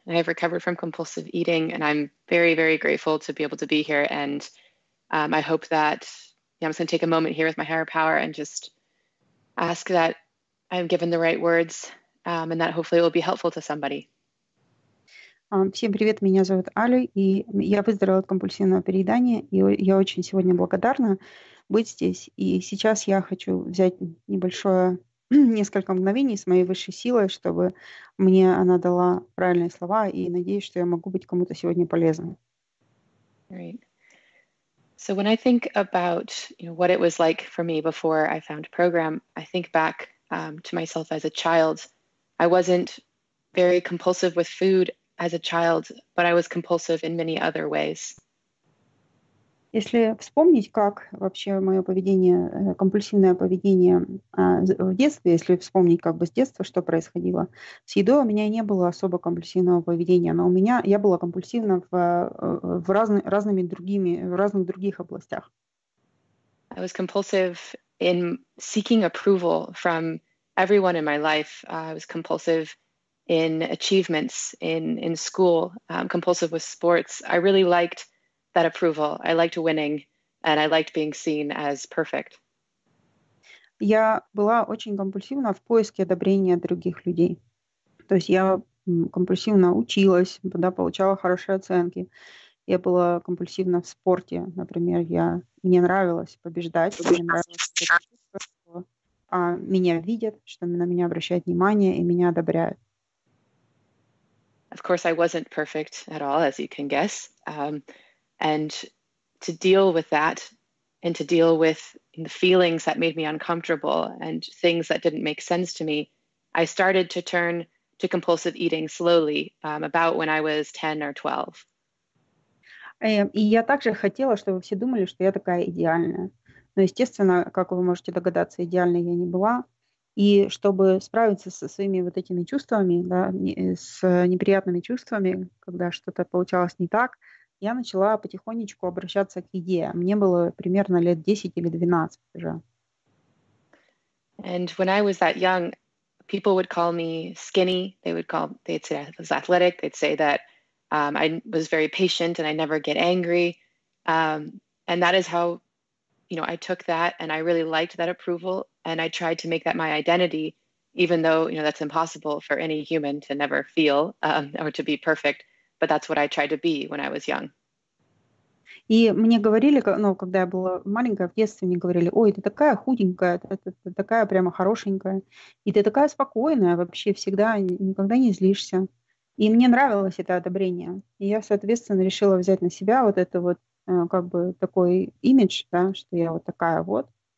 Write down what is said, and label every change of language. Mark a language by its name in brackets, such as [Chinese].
[English] I have recovered from compulsive eating, and I'm very, very grateful to be able to be here. And I hope that I'm just going to take a moment here with my higher power and just ask that I'm given the right words, and that hopefully it will be helpful to somebody. [Russian] Всем привет, меня зовут Алли, и я выздоровела от компульсивного переедания, и я очень сегодня благодарна быть здесь. И сейчас я хочу взять небольшое, несколько мгновений с моей высшей силой, чтобы мне она дала правильные слова, и надеюсь, что я могу быть кому-то сегодня полезным. [English] Right. So when I think about what it was like for me before I found program, I think back to myself as a child. I wasn't very compulsive with food as a child, but I was compulsive in many other ways. [Russian] Если вспомнить, как вообще мое поведение, компульсивное поведение в детстве, если вспомнить как бы с детства, что происходило, с едой у меня не было особо компульсивного поведения, но у меня, я была компульсивна в разных других областях. [English] I was compulsive in seeking approval from everyone in my life. I was compulsive in achievements in school, compulsive with sports. I really liked that approval. I liked winning, and I liked being seen as perfect. [Russian] Я была очень компульсивна в поиске одобрения других людей. То есть я компульсивно училась, да, получала хорошие оценки. Я была компульсивна в спорте, например, мне нравилось побеждать, мне нравилось, что меня видят, что на меня обращают внимание и меня одобряют. [English] Of course, I wasn't perfect at all, as you can guess. And to deal with that, and to deal with the feelings that made me uncomfortable and things that didn't make sense to me, I started to turn to compulsive eating slowly, about when I was 10 or 12. [Russian] И я также хотела, чтобы все думали, что я такая идеальная. Но, естественно, как вы можете догадаться, идеальной я не была. И чтобы справиться со своими вот этими чувствами, да, с неприятными чувствами, когда что-то получалось не так, я начала потихонечку обращаться к еде. Мне было примерно лет 10 или 12 уже. [English] And when I was that young, people would call me skinny. They'd say I was athletic. They'd say that I was very patient and I never get angry. And that is how, I took that and I really liked that approval. And I tried to make that my identity, even though, that's impossible for any human to never feel or to be perfect. But that's what I tried to be when I was young. [Russian] И мне говорили, ну, когда я была маленькая, в детстве мне говорили, ой, ты такая худенькая, ты такая прямо хорошенькая, и ты такая спокойная вообще всегда, никогда не злишься. И мне нравилось это одобрение. И я, соответственно, решила взять на себя вот это вот, как бы, такой имидж, да, что я вот такая вот.